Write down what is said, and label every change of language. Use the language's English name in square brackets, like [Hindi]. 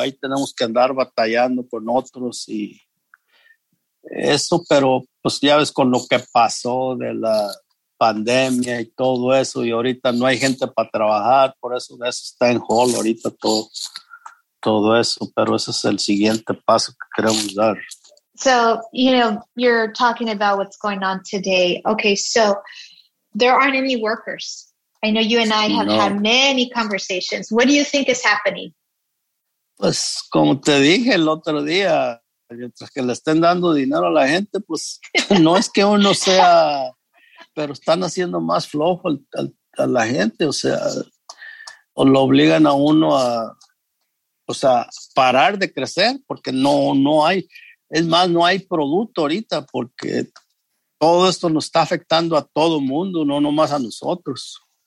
[Spanish] Ahí tenemos que andar batallando con otros y eso, pero pues ya ves con lo que pasó de la pandemia y todo eso, y ahorita no hay gente para trabajar, por eso de eso está en hold ahorita todo eso, pero ese es el siguiente paso que queremos dar. [English] So, you know, you're talking about what's going on today. Okay, so there aren't any workers. I know you and I have had many conversations. What do you think is happening? [Spanish] Pues, como te dije el otro día, mientras que le estén dando dinero a la gente, pues no es que uno sea, pero están haciendo más flojo a la gente, o sea, o lo obligan a uno a, o sea, parar de crecer, porque no hay, es más, no hay producto ahorita, porque todo esto nos está afectando a todo mundo, no nomás a nosotros.